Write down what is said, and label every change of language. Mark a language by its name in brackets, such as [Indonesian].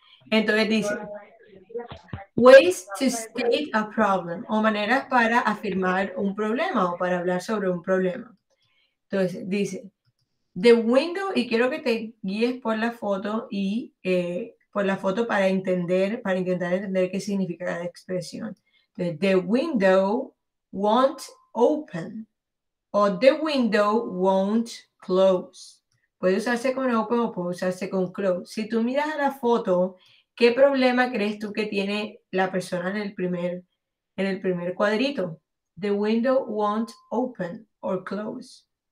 [Spanish] Entonces dice, [English] ways to state a problem [Spanish] o maneras para afirmar un problema o para hablar sobre un problema. Entonces dice, the window, y quiero que te guíes por la foto y... por la foto para entender, para intentar entender qué significa cada expresión. [English] Entonces, the window won't open o the window won't close. [Spanish] Puede usarse con open o puede usarse con close. Si tú miras a la foto, ¿qué problema crees tú que tiene la persona en el primer cuadrito? [English] The window won't open or close.